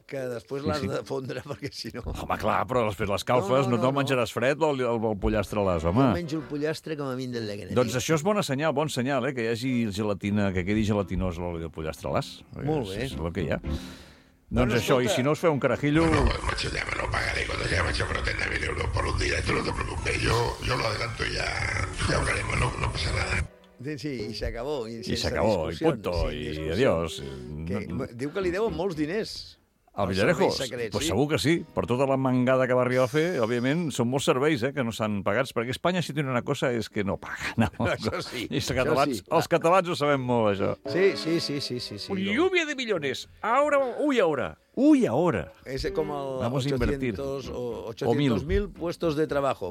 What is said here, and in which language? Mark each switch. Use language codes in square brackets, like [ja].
[ca] Que després l'has de fondre, perquè si no... Home, clar, però després l'escalfes, no te'l menjaràs fred, l'oli del pollastre a l'as, home. Jo menjo el pollastre com a mínim del llegre. Doncs això és bon senyal, que hi hagi gelatina, que quedi gelatinós l'oli del pollastre a l'as. Molt bé. És el que hi ha. Doncs això, i si no us feu un carajillo... [es] No, ja me lo pagaré cuando llame, yo creo que tendré 1.000 euros por un día, tú no te preocupes, yo lo adelanto y ya hablaremos, no pasa nada. [ca] Sí, i s'acabó. I s'acabó, i punto, sí, i adiós. Diu que li deuen molts diners. Al Villarejos? Doncs [es] pues sí, [ca] segur que sí. Per tota la mangada que va arribar a fer, òbviament, són molts serveis que no s'han pagat. Perquè Espanya, si tenen una cosa, és que no paga. No. Això sí. I catalans, això sí. Els catalans ho sabem molt, això. Sí. [es] Lluvia de millones. Ahora, ui, ahora. ¡Uy, ahora! Ese como el 800 o 1000 puestos de trabajo.